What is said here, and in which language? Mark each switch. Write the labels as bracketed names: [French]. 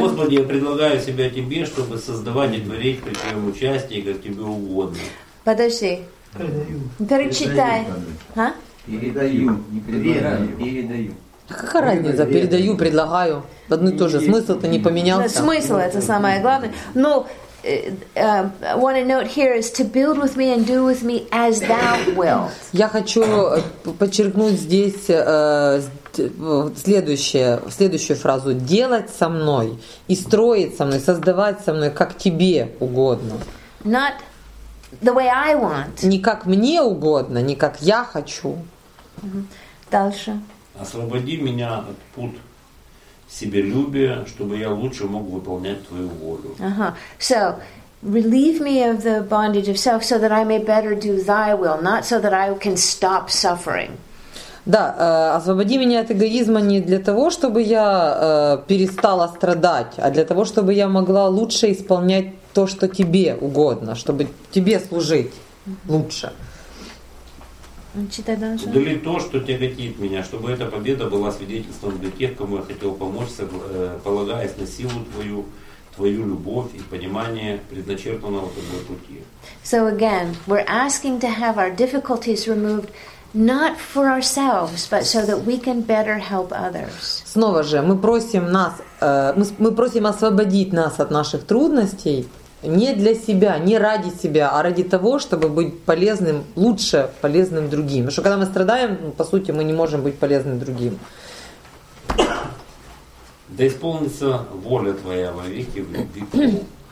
[Russian] Господи, я предлагаю себя тебе, чтобы создавать и творить при твоем участии, как тебе угодно. Подожди. Передаю. Перечитай. Передаю. Не предлагаю. Передаю. Да какая разница? Передаю, предлагаю. Одно и то же. Смысл-то не поменялся. Смысл — это самое главное. Но [English] one note here is to build with me and do with me as thou wilt. [Russian] Я хочу подчеркнуть здесь следующую фразу. Делать со мной и строить со мной, создавать со мной, как тебе угодно. [English] Not the way I want. [Russian] Не как мне угодно, не как я хочу. Дальше. Освободи меня от пут себелюбия, чтобы я лучше мог выполнять твою волю. [English] So, relieve me of the bondage of self, so that I may better do thy will, not so that I can stop suffering. [Russian] Да, освободи меня от эгоизма не для того, чтобы я перестала страдать, а для того, чтобы я могла лучше исполнять то, что тебе угодно, чтобы тебе служить лучше. Удали то, что тяготит меня, чтобы эта победа была свидетельством для тех, кому я хотел помочь, полагаясь на силу твою, твою любовь и понимание предначертанного тобой пути. [English] So again, we're asking to have our difficulties removed not for ourselves, but so that we can better help others. [Russian] Снова же, мы просим освободить нас от наших трудностей. Не для себя, не ради себя, а ради того, чтобы быть полезным, лучше полезным другим. Потому что когда мы страдаем, по сути, мы не можем быть полезны другим. Да исполнится воля твоя во веки, в любви.